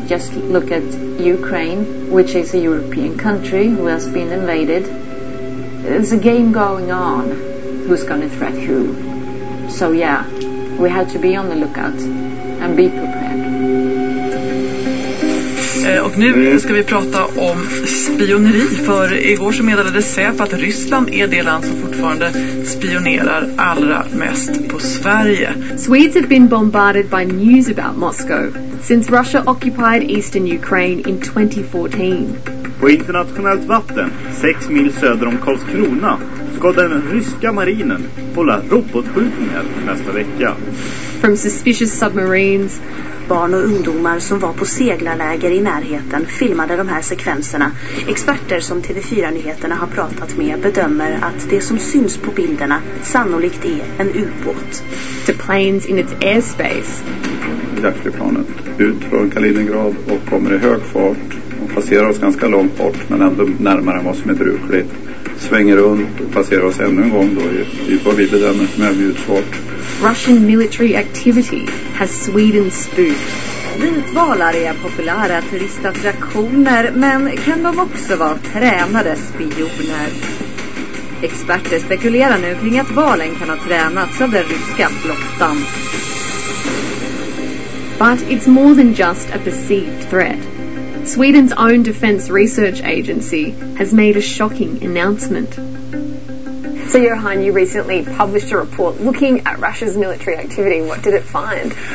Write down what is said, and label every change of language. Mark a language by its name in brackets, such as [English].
[English] Just look at Ukraine, which is a European country who has been invaded. There's a game going on, who's going to threat who. So yeah, we have to be on the lookout and be prepared. [Swedish] Och nu ska vi prata om spioneri, för igår så meddelade Säpo att Ryssland är det land som fortfarande spionerar allra mest på Sverige. [English] Swedes have been bombarded by news about Moscow since Russia occupied eastern Ukraine in 2014. [Swedish] På internationellt vatten, 6 mil söder om Karlskrona, ska den ryska marinen hålla robotskjutningar nästa vecka. [English] from suspicious submarines. [Swedish] Barn och ungdomar som var på seglarläger i närheten filmade de här sekvenserna. Experter som TV4-nyheterna har pratat med bedömer att det som syns på bilderna sannolikt är en ubåt. [English] The planes in its airspace. [Swedish] Jaktflygplanet ut från Kaliningrad och kommer i hög fart. De passerar oss ganska långt bort, men ändå närmare än vad som är brukligt. Svänger runt och passerar oss ännu en gång då i vad vi bedömer som är utfart. [English] Russian military activity has Sweden spooked. [Swedish] Vitvalar är populära turistattraktioner, men kan de också vara tränade spioner? Experter spekulerar nu kring att valen kan ha tränats av den ryska flottan. [English] But it's more than just a perceived threat. Sweden's own defense research agency has made a shocking announcement. So, Johan, you recently published a report looking at Russia's military activity. What did it find?